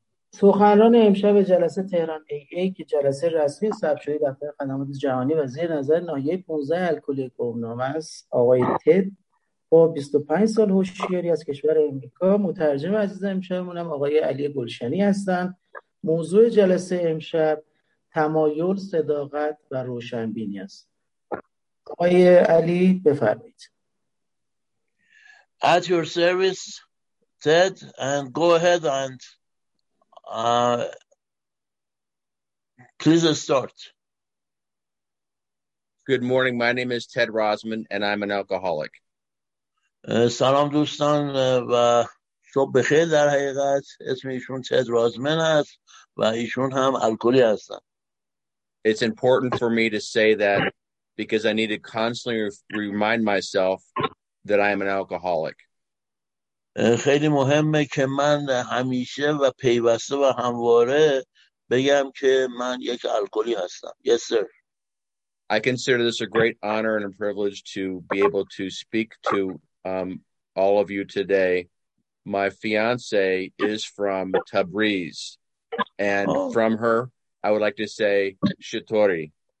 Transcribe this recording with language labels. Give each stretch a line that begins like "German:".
Persian: سخنران امشب جلسه تهران ای که جلسه رسمی ثبت شده دفتر خدمات جهانی و زیر نظر ناحیه 15 الکلی گمنام است، آقای تد با 25 سال هوشیاری از کشور امریکا. مترجم عزیز امشبمون هم آقای علی گلشنی هستند. موضوع جلسه امشب تمایل، صداقت و روشنبینی است. آقای علی بفرمایید.
English: At your service, Ted, and go ahead and please start. Good morning. My name is Ted Rosman, and I'm an alcoholic.
Persian: سلام دوستان و صبح بخیر. در حقیقت اسم ایشون تد رازمن است و ایشون هم الکلی هستن.
English: It's important for me to say that because I need to constantly remind myself that I am an alcoholic.
Persian: خیلی مهمه که من همیشه و پیوسته و همواره بگم که من یک الکلی هستم.
English: Yes, sir. I consider this a great honor and a privilege to be able to speak to all of you today. My fiance is from Tabriz, and from her, I would like to say Shitori.